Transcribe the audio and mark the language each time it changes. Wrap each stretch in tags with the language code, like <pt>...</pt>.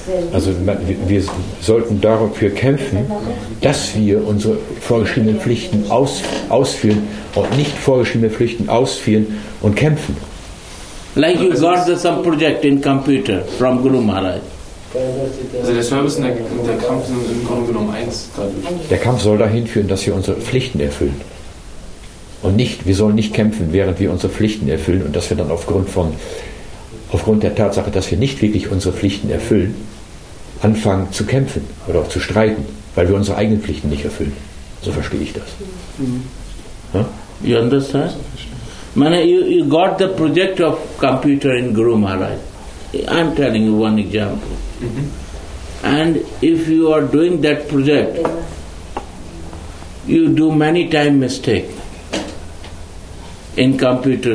<de>Also wir sollten dafür kämpfen, dass wir unsere vorgeschriebenen Pflichten ausführen und nicht vorgeschriebene Pflichten ausführen und kämpfen.</de> <en>Like you got some project in computer from Guru Maharaj.</en> <de>Also der Service und der Kampf sind im Grunde genommen eins dadurch. Der Kampf soll dahin führen, dass wir unsere Pflichten erfüllen. Und nicht, wir sollen nicht kämpfen, während wir unsere Pflichten erfüllen und dass wir dann aufgrund der Tatsache, dass wir nicht wirklich unsere Pflichten erfüllen, anfangen zu kämpfen oder auch zu streiten, weil wir unsere eigenen Pflichten nicht erfüllen. So verstehe ich das.</de> <en>Ja? You understand? Meine, you got the project of computer in Guru Maharaj. I'm telling you one example. Mm-hmm. And if you are doing that project, you do many time mistake in computer.</en>